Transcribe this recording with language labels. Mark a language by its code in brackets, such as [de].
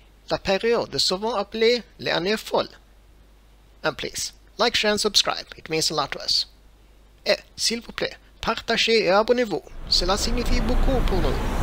[fr] La période est souvent appelée les années folles. [en] And please, like, share and subscribe, it means a lot to us. [fr] Et, s'il vous plaît, partagez et abonnez-vous, cela signifie beaucoup pour nous.